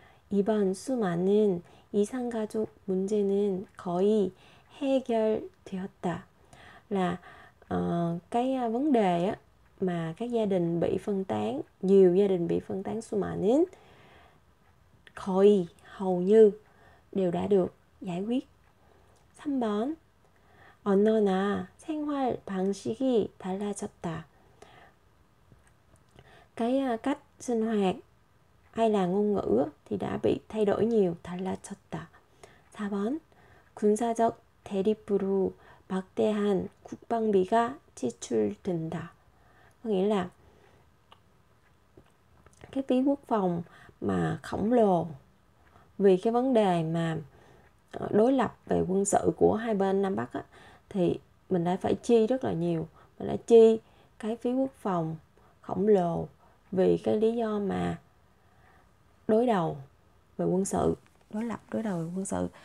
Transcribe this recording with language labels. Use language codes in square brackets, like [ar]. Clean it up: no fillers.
[ko] 이번 수많은 이상 가족 문제는 거의 해결되었다. [vi] Là cái vấn đề á mà các gia đình bị phân tán, nhiều gia đình bị phân tán [ko] 수많은 거의 [vi] hầu như đều đã được giải quyết. [ko] 3번 언어나 생활 방식이 달라졌다. [vi] Cái cách sinh hoạt hay là ngôn ngữ thì đã bị thay đổi nhiều. [ko] 달라졌다. 4번 군사적 대립으로 막대한 국방비가 지출된다. [vi] Có nghĩa là cái phí quốc phòng mà khổng lồ vì cái vấn đề mà đối lập về quân sự của hai bên Nam Bắc á, thì mình đã phải chi rất là nhiều. Mình đã chi cái phí quốc phòng khổng lồ vì cái lý do mà đối đầu về quân sự, đối lập đối đầu về quân sự.